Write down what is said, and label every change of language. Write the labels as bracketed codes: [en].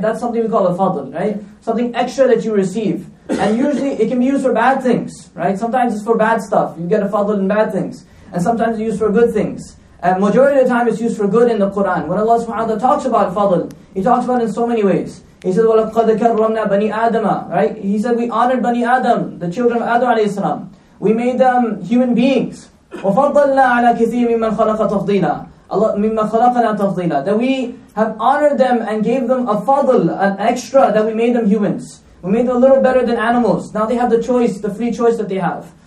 [en] That's something we call a fadl, right? Something extra that you receive. And usually it can be used for bad things, right? Sometimes it's for bad stuff. You get a fadl in bad things. And sometimes it's used for good things. And majority of the time it's used for good in the Qur'an. When Allah subhanahu wa ta'ala talks about fadl, He talks about it in so many ways. [ar] He says, وَلَقَدْ كَرَّمْنَا بَنِي آدَمَ. [en] Right? He said, we honored Bani Adam, the children of Adam alayhi salam. We made them human beings. [ar] وَفَضَّلْنَا عَلَى كِثِيرٍ مِمَّنْ خَلَقَ تَفْضِيلًا. مِمَّنْ خَلَقَنَا تَفْضِيلًا. [en] That we have honored them and gave them a fadl, an extra, that we made them humans. We made them a little better than animals. Now they have the choice, the free choice that they have.